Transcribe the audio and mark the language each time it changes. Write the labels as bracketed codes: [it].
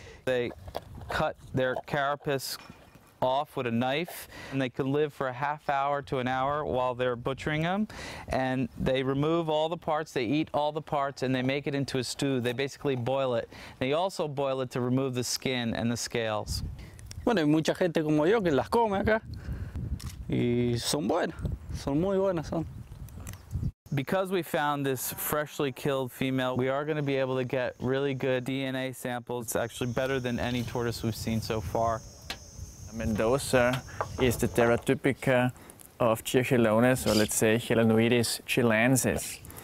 [en] They cut their carapace off with a knife, and they can live for a half hour to an hour while they're butchering them. And they remove all the parts, they eat all the parts, and they make it into a stew. They basically boil it. They also boil it to remove the skin and the scales. [es] Bueno, hay mucha gente como yo que las come acá. Y son buenas, son muy buenas, son. [en] Because we found this freshly killed female, we are going to be able to get really good DNA samples. It's actually better than any tortoise we've seen so far. Mendoza is the terra typica of Chilones, or let's say Chilanoides chilensis.